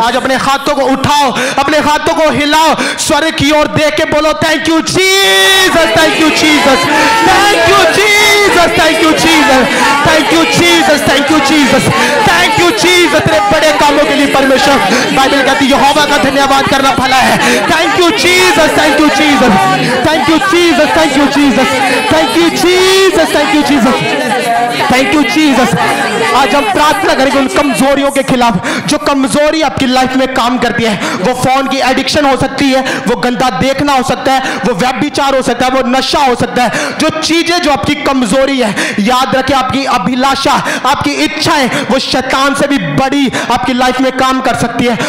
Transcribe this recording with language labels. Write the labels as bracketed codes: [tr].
[hi] आज अपने हाथों को उठाओ, अपने हाथों को हिलाओ, स्वर्ग की ओर देख के बोलो [en] thank you Jesus, thank you Jesus, [hi] thank you Jesus, thank you Jesus, thank you Jesus, thank you Jesus, thank you Jesus, तेरे बड़े कामों के लिए परमेश्वर। बाइबल कहती है यहोवा का धन्यवाद करना भला है। Thank you Jesus, thank you Jesus, [en] thank you Jesus, thank you Jesus, thank you Jesus, thank you Jesus, thank you Jesus। [hi] आज हम प्रार्थना करेंगे उन कमजोरियों के खिलाफ, जो कमजोरी आपकी लाइफ में काम करती है, वो फोन की एडिक्शन हो सकती है, वो गंदा देखना हो सकता है, वो व्यभिचार हो सकता है, वो नशा हो सकता है, जो चीजें जो आपकी कमजोरी है, याद रखें आपकी अभिलाषा, आपकी इच्छाएं वो शैतान से भी बड़ी आपकी लाइफ में काम कर सकती है।